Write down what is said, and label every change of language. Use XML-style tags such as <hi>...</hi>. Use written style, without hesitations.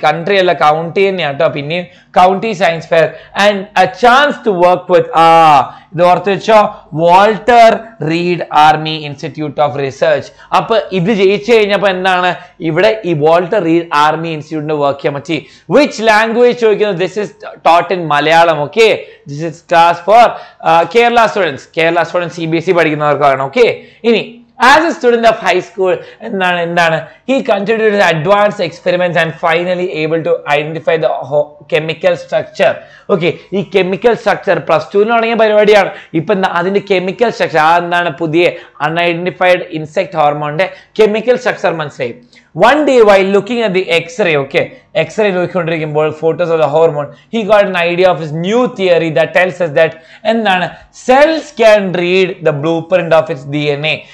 <ml>Country അല്ല, county തന്നെയാണ് കേട്ടോ. പിന്നെയും</ml> <en>county science fair and a chance to work with</en> <ml>ഇത് ഓർത്ത് വെച്ചോ,</ml> <en>Walter Reed Army Institute of Research.</en> <ml>അപ്പൊ ഇത് ജയിച്ചു കഴിഞ്ഞപ്പോ എന്താണ് ഇവിടെ ഈ വാൾട്ടർ റീഡ് ആർമി ഇൻസ്റ്റിറ്റ്യൂട്ടിന്റെ വർക്ക് ചെയ്യാൻ പറ്റി.</ml> <en>which language</en> <ml>ചോദിക്കുന്നു,</ml> <en>This is taught in Malayalam. Okay this is class for Kerala students, Kerala students CBSE</en> <ml>പഠിക്കുന്നവർക്കാണ്.</ml> <en>okay ഇനി as a student of high school</en> <ml>എന്താണ് എന്താണ്</ml> <en>he continued his advanced experiments and finally able to identify the chemical structure.</en> <ml>Okay ഈ chemical structure plus two തുടങ്ങിയ പരിപാടിയാണ്. ഇപ്പൊ അതിന്റെ chemical structure, ആ എന്താണ് പുതിയ അൺഐഡന്റിഫൈഡ് ഇൻസെക്ട് ഹോർമോണിന്റെ കെമിക്കൽ സ്ട്രക്ചർ മനസ്സിലായി.</ml> <en>one day while looking at the X-ray,</en> <ml>okay x-ray നോക്കിക്കൊണ്ടിരിക്കുമ്പോൾ</ml> <en>photos of the hormone, he got an idea of his new theory that tells us that</en> <ml>എന്താണ്</ml> <en>Cells can read the blueprint of its D N A.</en>